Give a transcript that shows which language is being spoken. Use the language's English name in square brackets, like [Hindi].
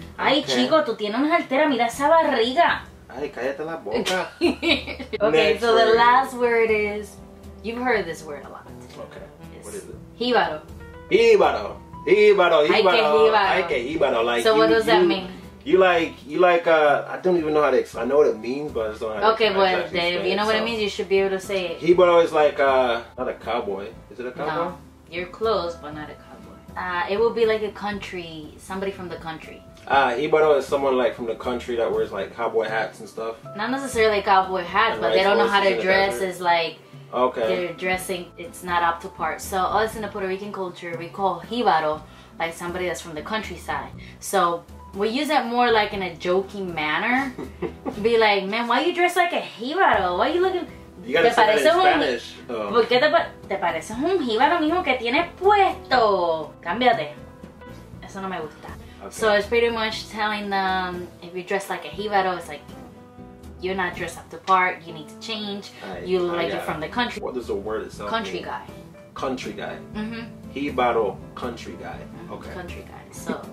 [Spanish] Ay, chico, tú tienes una jartera, mira esa barriga. Ay, cállate la boca. [English] Okay, next so word. The last word is, you've heard this word a lot. Okay, yes. What is it? Jíbaro. Jíbaro. Jíbaro, jíbaro, jíbaro. Like, so what you, does that mean? You like, I don't even know how to explain. I know what it means, but I don't know how to okay, but if you know what it means, you should be able to say it. Jíbaro is like, not a cowboy. Is it a cowboy? No, you're close, but not a cowboy. It will be like a country, somebody from the country. Jíbaro is someone like from the country that wears like cowboy hats and stuff. Not necessarily cowboy hats, but they don't know how to dress. Is like, Okay. Their dressing, it's not up to par. So us in the Puerto Rican culture, we call jíbaro like somebody that's from the countryside. So we use that more like in a joking manner. Be like, man, why you dress like a jíbaro? Why are you looking... You gotta [Spanish] ¿Te parece [English] say that in Spanish. [Spanish] ¿Por qué te pareces un jíbaro mismo que tienes puesto? Cámbiate. Eso no me gusta. Okay. [English] So it's pretty much telling them, if you dress like a jíbaro, it's like, you're not dressed up to par, you need to change. You look like you're from the country. What is the word itself? Country mean? Guy. Country guy. Mm-hmm. Jíbaro, country guy. Mm-hmm. Okay. Country guy. So.